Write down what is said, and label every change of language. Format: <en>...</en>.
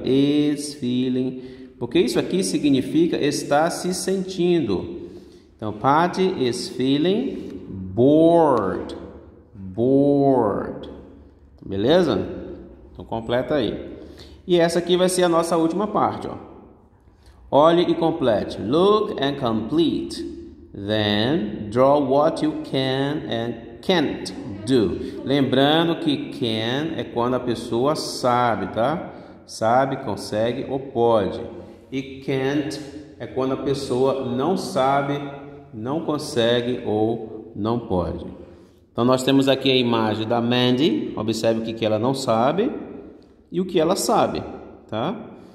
<en>Is feeling.</en> <pt>Porque isso aqui significa estar se sentindo. Então,</pt> <en>Paty is feeling bored.</en> <pt>Bored. Beleza? Então completa aí. E essa aqui vai ser a nossa última parte, ó. Olhe e complete.</pt> <en>Look and complete. Then draw what you can and can't do.</en> <pt>Lembrando que can é quando a pessoa sabe, tá? Sabe, consegue ou pode. E can't é quando a pessoa não sabe, não consegue ou não pode. Então nós temos aqui a imagem da Mandy. Observe o que ela não sabe e o que ela sabe, tá?</pt>